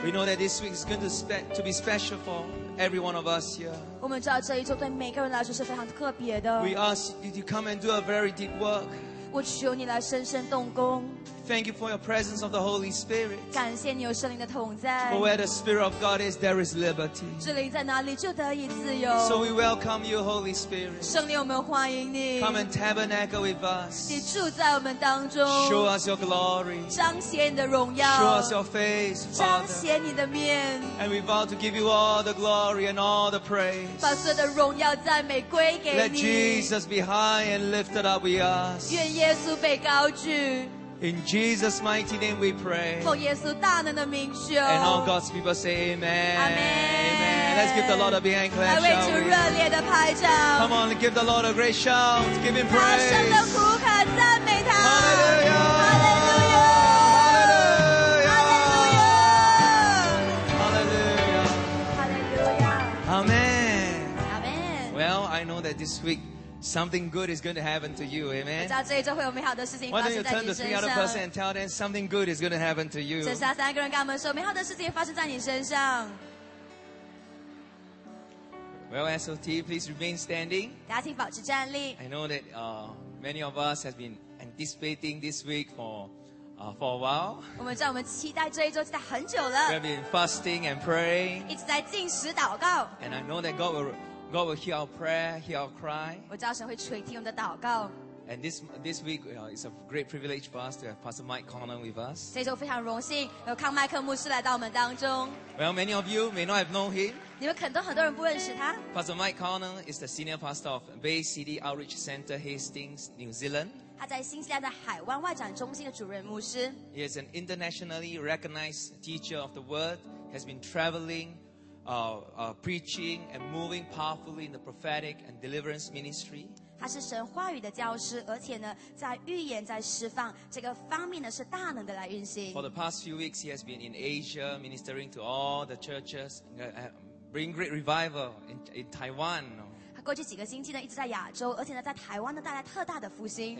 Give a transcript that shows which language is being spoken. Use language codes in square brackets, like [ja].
[en] We know that this week is going to be special for every one of us here. [zh] 我们知道这一周对每个人来说是非常特别的。 [en] We ask you to come and do a very deep work. Thank you for your presence of the Holy Spirit. [zh] 感谢你有圣灵的同在。 [en] For where the Spirit of God is, there is liberty. [zh] 这里在哪里就得以自由。 [en] So we welcome you, Holy Spirit. [zh] 圣灵，我们欢迎你。 [en] Come and tabernacle with us. [zh] 你住在我们当中。 [en] Show us your glory. [zh] 彰显你的荣耀。 [en] Show us your face, Father. [zh] 彰显你的面。 [en] And we vow to give you all the glory and all the praise. [zh] 把所有的荣耀赞美归给你。 [en] Let Jesus be high and lifted up with us. [zh] 愿耶稣被高举。 [en] In Jesus' mighty name we pray. [zh] 奉耶稣大能的名求。 [en] And all God's people say amen. Amen. Let's give the Lord a big hand clap. [zh] 来为主热烈的拍掌。 [en] Come on, give the Lord a great shout. Give him praise. [zh] 大声的呼喊赞美他。 [en] Hallelujah. Hallelujah. Hallelujah. Hallelujah. Hallelujah. Hallelujah. Amen. Amen. Well, I know that this week,Something good is going to happen to you, amen. Why don't you turn to three other person and tell them something good is going to happen to you? [zh] 剩下三个人跟我们说美好的事情发生在你身上。 [en] Well, SOT, please remain standing. [zh] 大家请保持站立。 [en] I know that many of us have been anticipating this week for a while. [zh] 我们知道我们期待这一周期待很久了。 [en] We have been fasting and praying. [zh] 一直在禁食祷告。 [en] And I know that God will hear our prayer, hear our cry. [zh] 我知道神会垂听我们的祷告。 [en] And this week, it's a great privilege for us to have Pastor Mike Connor with us. [zh] 这周非常荣幸有康麦克牧师来到我们当中。 [en] Well, many of you may not have known him. [zh] 你们可能很多人不认识他。 [en] Pastor Mike Connor is the senior pastor of Bay City Outreach Center, Hastings, New Zealand. [zh] 他在新西兰的海湾外展中心的主任牧师。 [en] He is an internationally recognized teacher of the word, has been traveling,preaching and moving powerfully in the prophetic and deliverance ministry. [zh] 他是神话语的教师，而且呢，在预言、在释放这个方面呢，是大能的来运行。 [en] For the past few weeks, he has been in Asia ministering to all the churches, bring great revival in Taiwan. [zh] 他过去几个星期呢，一直在亚洲，而且呢，在台湾呢，带来特大的复兴。